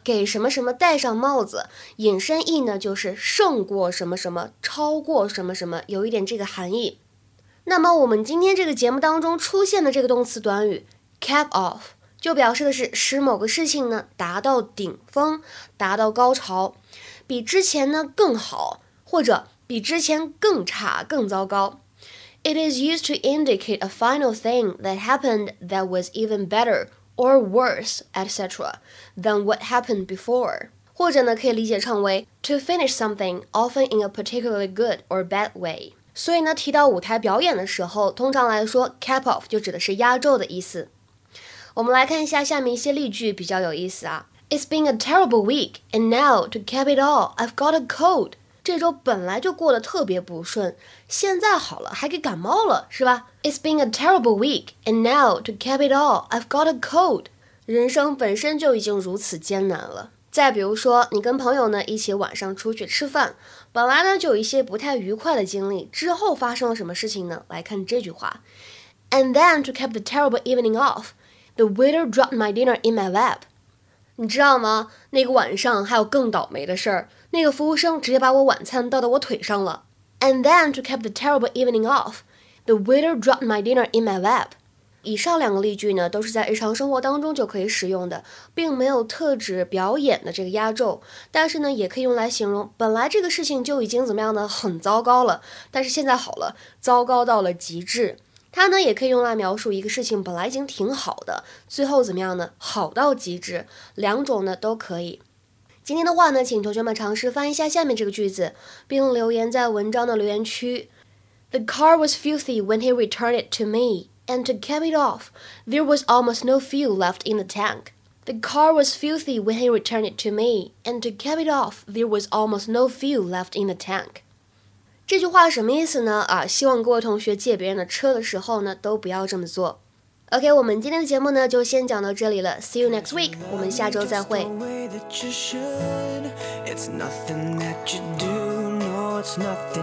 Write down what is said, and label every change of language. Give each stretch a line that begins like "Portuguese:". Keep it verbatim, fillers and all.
Chinese: 给什么什么戴上帽子，引申义呢就是胜过什么什么，超过什么什么，有一点这个含义。那么我们今天这个节目当中出现的这个动词短语 cap off， 就表示的是使某个事情呢达到顶峰，达到高潮，比之前呢更好，或者比之前更差，更糟糕。
English: It is used to indicate a final thing that happened that was even better or worse, et cetera, than what happened before.
Chinese: 或者呢，可以理解成为
English: to finish something, often in a particularly good or bad way.
Chinese: 所以呢，提到舞台表演的时候，通常来说 cap off 就指的是压轴的意思。我们来看一下下面一些例句，比较有意思啊。
English: It's been a terrible week, and now to cap it all, I've got a cold.
Chinese: 这周本来就过得特别不顺，现在好了还给感冒了，是吧？
English: It's been a terrible week, and now to cap it all, I've got a cold.
Chinese: 人生本身就已经如此艰难了。再比如说，你跟朋友呢一起晚上出去吃饭，本来呢就有一些不太愉快的经历，之后发生了什么事情呢？来看这句话。
English: And then to cap the terrible evening off, the waiter dropped my dinner in my lap.
Chinese: 你知道吗？那个晚上还有更倒霉的事儿，那个服务生直接把我晚餐倒到我腿上了。
English: And then to cap the terrible evening off, the waiter dropped my dinner in my lap.
Chinese: 以上两个例句呢，都是在日常生活当中就可以使用的，并没有特指表演的这个压轴，但是呢，也可以用来形容本来这个事情就已经怎么样呢，很糟糕了，但是现在好了，糟糕到了极致。它呢也可以用来描述一个事情本来已经挺好的，最后怎么样呢？好到极致，两种呢都可以。今天的话呢，请同学们尝试翻译一下下面这个句子，并留言在文章的留言区。
English: The car was filthy when he returned it to me, and to cap it off, there was almost no fuel left in the tank. The car was filthy when he returned it to me, and to cap it off, there was almost no fuel left in the tank.
Chinese: 这句话什么意思呢？啊，希望各位同学借别人的车的时候呢，都不要这么做。 OK， 我们今天的节目呢，就先讲到这里了。
English: See you next week，
Chinese: 我们下周再会。